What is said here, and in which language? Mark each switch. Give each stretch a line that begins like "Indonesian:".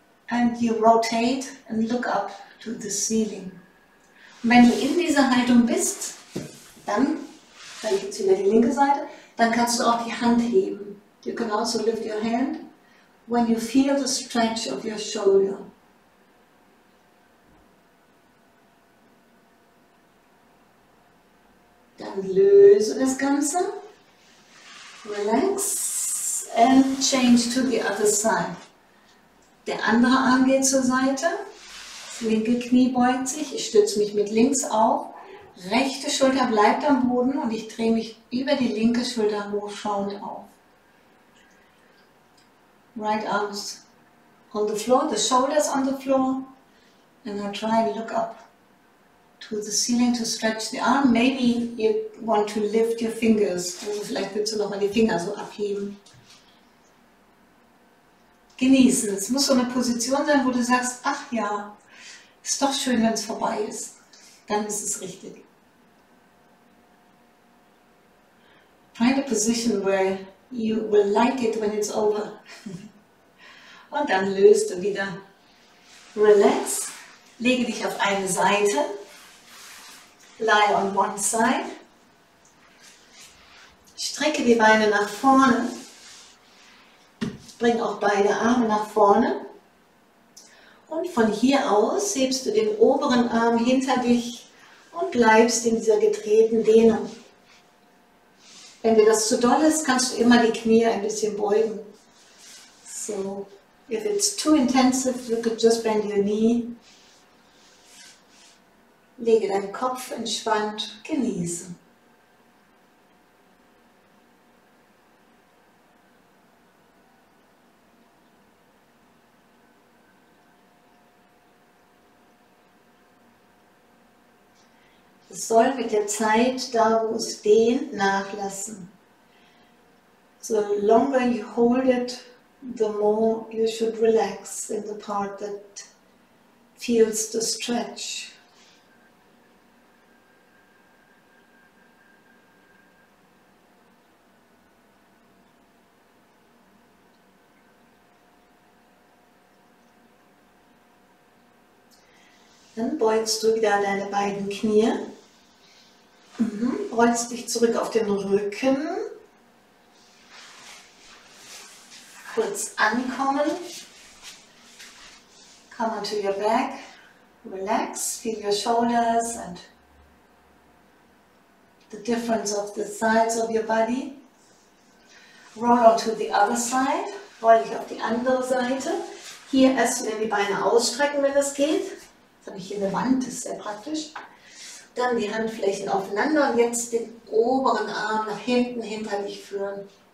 English: And you rotate and look up to the ceiling.
German: Und wenn du in dieser Haltung bist, dann zeige ich jetzt wieder die linke Seite. Dann kannst du auch die Hand heben.
English: You can also lift your hand when you feel the stretch of your shoulder.
German: Dann löse das Ganze.
English: Relax and change to the other side.
German: Der andere Arm geht zur Seite. Das linke Knie beugt sich. Ich stütze mich mit links auf. Rechte Schulter bleibt am Boden und ich drehe mich über die linke Schulter hoch, schauend auf.
English: Right arms on the floor, the shoulders on the floor. And I try and look up to the ceiling to stretch the arm. Maybe you want to lift your fingers.
German: Also vielleicht willst du nochmal die Finger so abheben. Genießen. Es muss so eine Position sein, wo du sagst, ach ja, ist doch schön, wenn es vorbei ist. Dann ist es richtig.
English: Find a position where you will like it when it's over.
German: Und dann löst du wieder. Relax. Lege dich auf eine Seite.
English: Lie on one side.
German: Strecke die Beine nach vorne. Bring auch beide Arme nach vorne. Und von hier aus hebst du den oberen Arm hinter dich. Und bleibst in dieser gedrehten Dehnung. Wenn dir das zu doll ist, kannst du immer die Knie ein bisschen beugen.
English: So, if it's too intensive, you could just bend your knee.
German: Lege deinen Kopf entspannt, genieße. Es soll mit der Zeit, da wo es dehnt, nachlassen.
English: So longer you hold it, the more you should relax in the part that feels the stretch.
German: Dann beugst du wieder deine beiden Knie. Rollst dich zurück auf den Rücken. Kurz ankommen.
English: Come onto your back. Relax. Feel your shoulders and the difference of the sides of your body. Roll onto the other side.
German: Roll dich auf die andere Seite. Hier erst wieder die Beine ausstrecken, wenn es geht. Jetzt habe ich hier eine Wand, das ist sehr praktisch. Dann die Handflächen aufeinander und jetzt den oberen Arm nach hinten hinter dich führen.